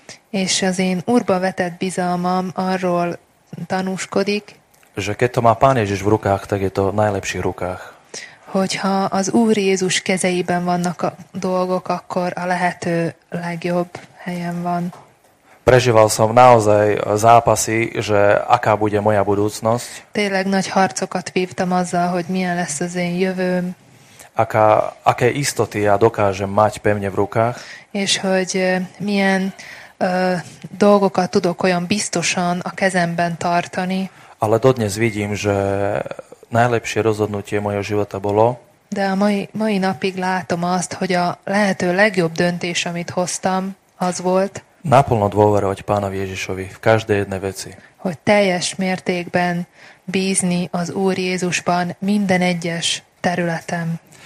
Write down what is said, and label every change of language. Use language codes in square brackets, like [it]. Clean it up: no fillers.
[hu] És az én Úrba vetett bizalmam arról tanúskodik, [sk] že keď to má Pán Ježiš v rukách, tak je to v najlepších rukách. [hu] Hogyha az Úr Jézus kezeiben vannak a dolgok, akkor a lehető legjobb helyen van. [sk] Prežíval som naozaj zápasy, že aká bude moja budúcnosť. [hu] Tényleg nagy harcokat vívtam azzal, hogy milyen lesz az én jövőm. [sk] Aké istoty ja dokážem mať pevne v rukách. [hu] És hogy milyen dolgokat tudok olyan biztosan a kezemben tartani. [sk] Ale dodnes vidím, že najlepšie rozhodnutie mojho života bolo. [hu] De a mai napig látom azt, hogy a lehető legjobb döntés, amit hoztam, az volt. [sk] Naplno dôverovať Pánovi Ježišovi v každej jednej veci. [hu] Hogy teljes mértékben bízni az Úr Jézusban minden egyes területen.